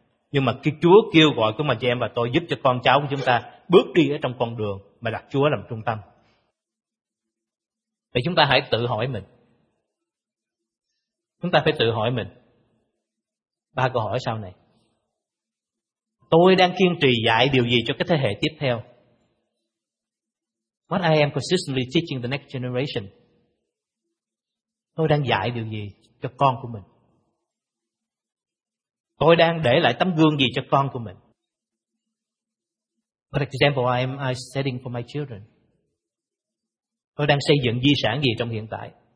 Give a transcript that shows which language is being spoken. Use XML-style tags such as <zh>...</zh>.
<vi>Nhưng mà cái Chúa kêu gọi của mình, chị em và tôi, giúp cho con cháu của chúng ta bước đi ở trong con đường mà đặt Chúa làm trung tâm. Vậy chúng ta hãy tự hỏi mình. Chúng ta phải tự hỏi mình ba câu hỏi sau này. Tôi đang kiên trì dạy điều gì cho cái thế hệ tiếp theo?</vi> <en>What I am consistently teaching the next generation?</en> <vi>Tôi đang dạy điều gì cho con của mình? Tôi đang để lại tấm gương gì cho con của mình?</vi> <en>What example am I setting for my children?</en> <vi>Tôi đang xây dựng di sản gì trong hiện tại?</vi>